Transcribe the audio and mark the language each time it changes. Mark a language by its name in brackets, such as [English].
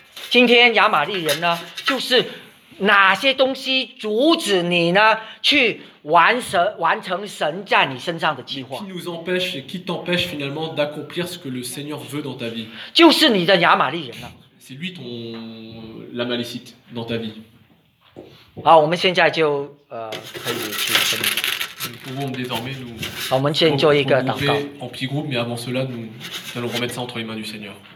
[Chinese] 今天亚玛力人呢，就是哪些东西阻止你呢，去完成神在你身上的计划？ [French] Qui nous empêche et qui t'empêche finalement d'accomplir ce que le Seigneur veut dans ta vie? [Chinese] 就是你的亚玛力人呢。 [French] C'est lui ton l'Amalécite dans ta vie. [Chinese] 好，我们现在就可以去分享。 [French] Nous pouvons désormais nous. [Chinese] 好，我们先做一个祷告。 [French] En petit groupe, mais avant cela, nous allons remettre ça entre les mains du Seigneur.